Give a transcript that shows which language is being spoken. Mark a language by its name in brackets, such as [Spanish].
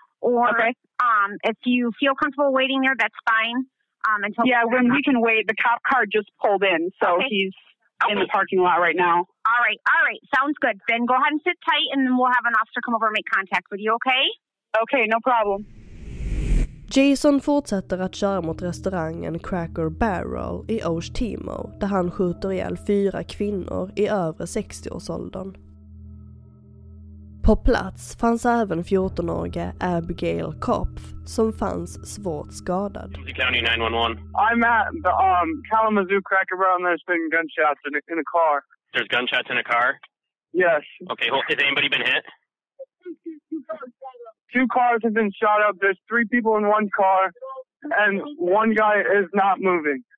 [English] Or if you feel comfortable waiting there, that's fine. We can wait. The cop car just pulled in. So he's in the parking lot right now. All right. All right. Sounds good. Then go ahead and sit tight and then we'll have an officer come over and make contact with you. Okay. Okay. No problem. [Swedish] Jason fortsätter att köra mot restaurangen Cracker Barrel i Osttimor där han skjuter ihjäl fyra kvinnor i över 60-årsåldern. På plats fanns även 14-årige Abigail Kopf som fanns svårt skadad. [English] I'm at the Kalamazoo Cracker Barrel and there's been gunshots in a car. There's gunshots in a car? Yes. Okay, well, has anybody been hit? Two cars have been shot up. There's three people in one car, and one guy is not moving.